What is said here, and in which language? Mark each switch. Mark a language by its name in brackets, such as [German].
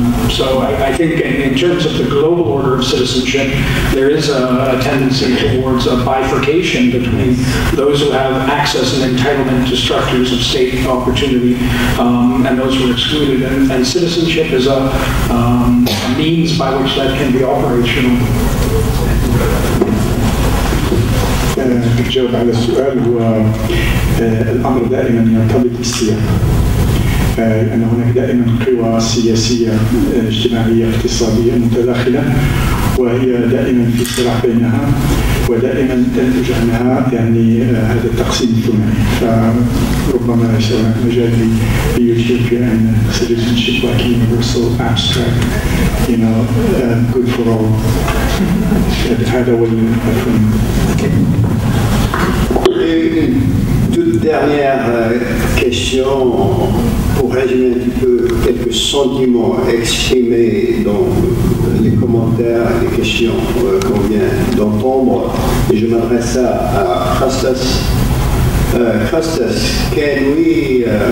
[English] So I think in terms of the global order of citizenship, there is a tendency towards a bifurcation between those who have access and entitlement to structures of state opportunity and those who are excluded. And citizenship is a means by which that can be operational. [Arabic] بتجاوب على السؤال هو الأمر دائما يرتبط بالسياق لأن هناك دائما قوى سياسية اجتماعية اقتصادية متداخلة وهي دائما في صراع بينها ودائما تنتج عنها يعني هذا التقسيم الثنائي فربما سواء مجال ليجيب في أن [English] citizenship like universal abstract you know good for all [Arabic] هذا هو المفهوم. [French] Une toute dernière question pour résumer un petit peu quelques sentiments exprimés dans les commentaires et les questions qu'on vient d'entendre. Et je m'adresse à Costas. Costas, [English] can we